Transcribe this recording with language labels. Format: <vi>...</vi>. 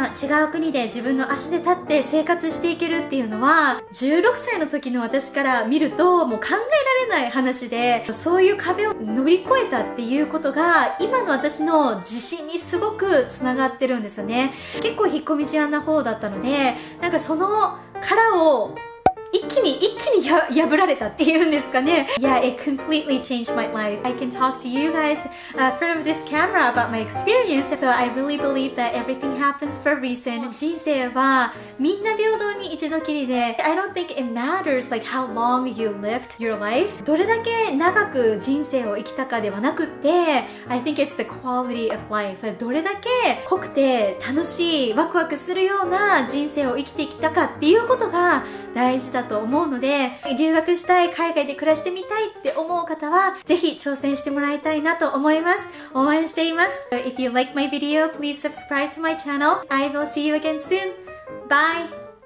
<ja>違う国で自分の足で立って生活していけるっていうのは16歳の時の私から見るともう考えられない話で、そういう壁を乗り越えたっていうことが今の私の自信にすごくつながってるんですよね。結構引っ込み思案な方だったので、なんかその殻を一気に破られたっていうんですかね。</ja> <en>Yeah, it completely changed my life. I can talk to you guys from this camera about my experience. So I really believe that everything happens for a reason.</en> <ja>人生はみんな平等に一度きりで、</ja> <en>I don't think it matters like how long you lived your life.</en> <ja>どれだけ長く人生を生きたかではなくって、</ja> <en>I think it's the quality of life.</en> <ja>どれだけ濃くて楽しいワクワクするような人生を生きてきたかっていうことが大事だと思うので、留学したい、海外で暮らしてみたいって思う方はぜひ挑戦してもらいたいなと思います。応援しています。</ja> <en>If you like my video, please subscribe to my channel. I will see you again soon. Bye.</en>